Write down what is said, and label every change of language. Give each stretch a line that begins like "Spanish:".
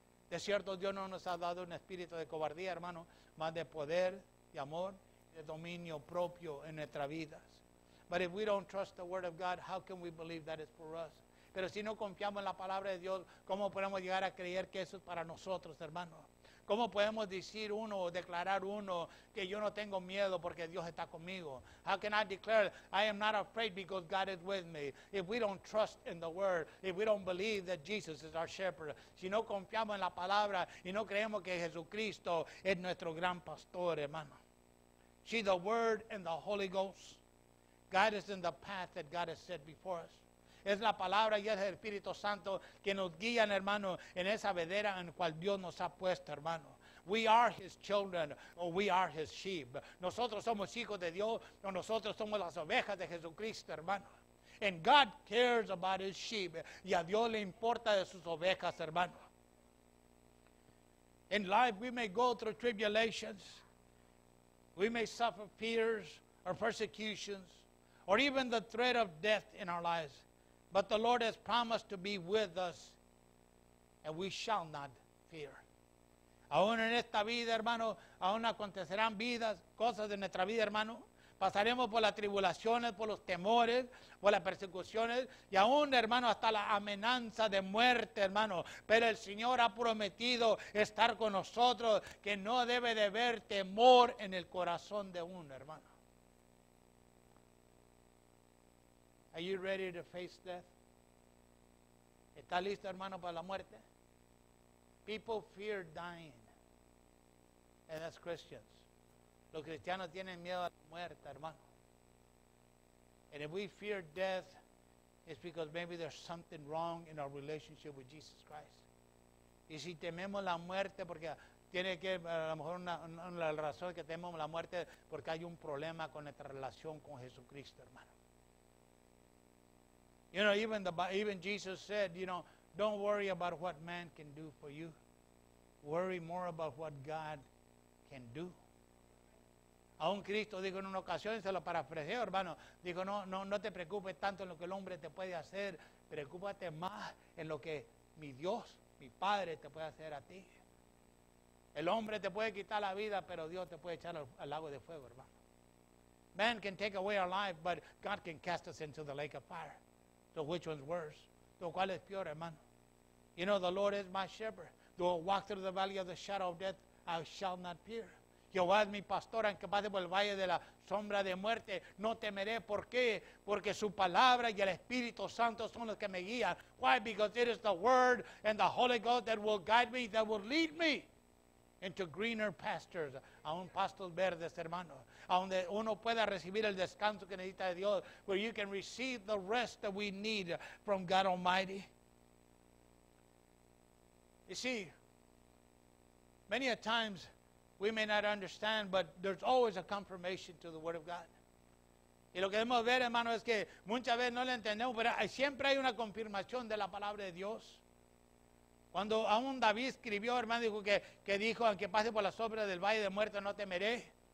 Spanish: De cierto, Dios no nos ha dado un espíritu de cobardía, hermano, más de poder, de amor, de dominio propio en nuestras vidas.
English: But if we don't trust the word of God, how can we believe that it's for us?
Spanish: Pero si no confiamos en la palabra de Dios, ¿cómo podemos llegar a creer que eso es para nosotros, hermano? ¿Cómo podemos decir uno o declarar uno que yo no tengo miedo porque Dios está conmigo?
English: How can I declare I am not afraid because God is with me? If we don't trust in the word, if we don't believe that Jesus is our shepherd,
Spanish: si no confiamos en la palabra y no creemos que Jesucristo es nuestro gran pastor, hermano.
English: See, the word and the Holy Ghost guide us in the path that God has set before us.
Spanish: Es la palabra y es el Espíritu Santo que nos guían, hermano, en esa vedera en cual Dios nos ha puesto, hermano.
English: We are his children or we are his sheep.
Spanish: Nosotros somos hijos de Dios o nosotros somos las ovejas de Jesucristo, hermano.
English: And God cares about his sheep.
Spanish: Y a Dios le importa de sus ovejas, hermano.
English: In life, we may go through tribulations. We may suffer fears or persecutions. Or even the threat of death in our lives. But the Lord has promised to be with us. And we shall not fear.
Spanish: Aún en esta vida, hermano, aún acontecerán vidas, cosas de nuestra vida, hermano. Pasaremos por las tribulaciones, por los temores, por las persecuciones. Y aún, hermano, hasta la amenaza de muerte, hermano. Pero el Señor ha prometido estar con nosotros. Que no debe de haber temor en el corazón de uno, hermano.
English: Are you ready to face death?
Spanish: ¿Está listo, hermano, para la muerte?
English: People fear dying. And that's Christians.
Spanish: Los cristianos tienen miedo a la muerte, hermano.
English: And if we fear death, it's because maybe there's something wrong in our relationship with Jesus Christ.
Spanish: Y si tememos la muerte porque tiene que, a lo mejor una razón que tememos la muerte porque hay un problema con nuestra relación con Jesucristo, hermano.
English: You know, even Jesus said, you know, don't worry about what man can do for you. Worry more about what God can do.
Spanish: Aún Cristo dijo en una ocasión, se lo parafraseo, hermano, dijo, no te preocupes tanto en lo que el hombre te puede hacer, preocúpate más en lo que mi Dios, mi Padre, te puede hacer a ti. El hombre te puede quitar la vida, pero Dios te puede echar al lago de fuego, hermano.
English: Man can take away our life, but God can cast us into the lake of fire. So which one's worse? So
Spanish: ¿cuál es peor, hermano?
English: You know, the Lord is my shepherd. Though I walk through the valley of the shadow of death, I shall not fear.
Spanish: Jehová es mi pastor, aunque pase por el valle de la sombra de muerte, no temeré. ¿Por qué? Porque su palabra y el Espíritu Santo son los que me guían.
English: Why? Because it is the Word and the Holy Ghost that will guide me, that will lead me into greener pastures,
Spanish: a un pastos verdes, hermano, a donde uno pueda recibir el descanso que necesita de Dios,
English: where you can receive the rest that we need from God Almighty. You see, many a times we may not understand, but there's always a confirmation to the Word of God.
Spanish: Y lo que debemos ver, hermano, es que muchas veces no lo entendemos, pero siempre hay una confirmación de la palabra de Dios. Cuando aún David escribió, hermano, dijo que dijo, aunque pase por la sombra del valle de muerte, no temeré.